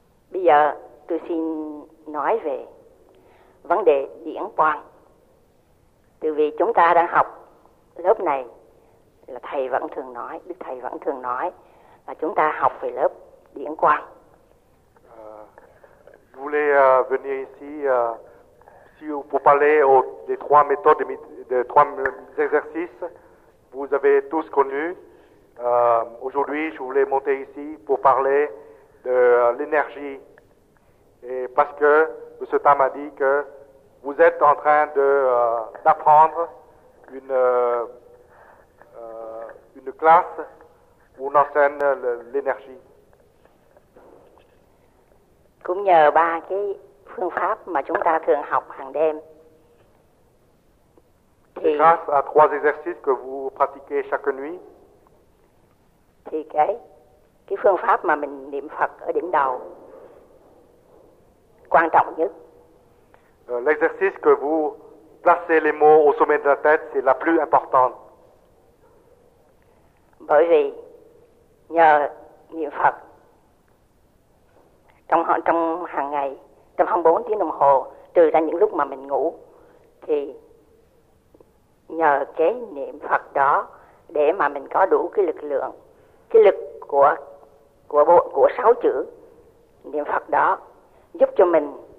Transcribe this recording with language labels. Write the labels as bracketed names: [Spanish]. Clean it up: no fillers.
[Vietnamese] Bây giờ tôi xin nói về vấn đề điển quang. Từ vì chúng ta đang học lớp này, là thầy vẫn thường nói, Đức Thầy vẫn thường nói là chúng ta học về lớp điển quang. [French] Je voulais venir ici Si vous parlez des trois méthodes, des trois exercices, vous avez tous connu. Aujourd'hui, je voulais monter ici pour parler de l'énergie. Et parce que M. Tam m'a dit que vous êtes en train de, d'apprendre une classe où on enseigne l'énergie. [Vietnamese] Cũng nhờ ba cái phương pháp mà chúng ta thường học hàng đêm. Thì [French] grâce à trois exercices que vous pratiquez chaque nuit. [Vietnamese] Thì cái phương pháp mà mình niệm Phật ở điểm đầu quan trọng nhất. [French] L'exercice que vous placez les mots au sommet de la tête, c'est la plus importante. [Vietnamese] Bởi vì nhờ niệm Phật trong hàng ngày, trong 24 tiếng đồng hồ, trừ ra những lúc mà mình ngủ, thì nhờ cái niệm Phật đó để mà mình có đủ cái lực lượng, cái lực của sáu chữ niệm Phật đó giúp cho mình,